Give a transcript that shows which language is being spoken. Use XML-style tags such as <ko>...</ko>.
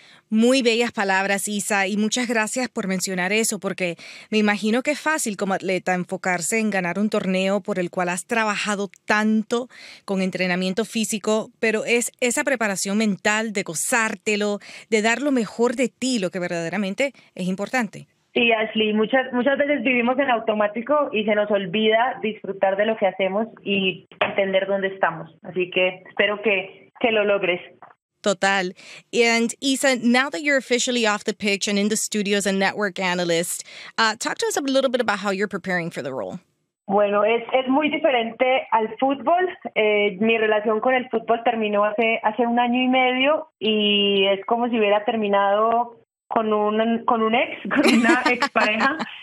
<es>Muy bellas palabras, Isa, y muchas gracias por mencionar eso, porque me imagino que es fácil como atleta enfocarse en ganar un torneo por el cual has trabajado tanto con entrenamiento físico, pero es esa preparación mental de gozártelo, de dar lo mejor de ti, lo que verdaderamente es importante. Sí, Ashley, muchas veces vivimos en automático y se nos olvida disfrutar de lo que hacemos y entender dónde estamos. Así que espero que lo logres. Total.</es> <en>And Isa, now that you're officially off the pitch and in the studio as a network analyst, talk to us a little bit about how you're preparing for the role.</en> <es>Bueno, es muy diferente al fútbol. Mi relación con el fútbol terminó hace un año y medio, y es como si hubiera terminado con una expareja.</es>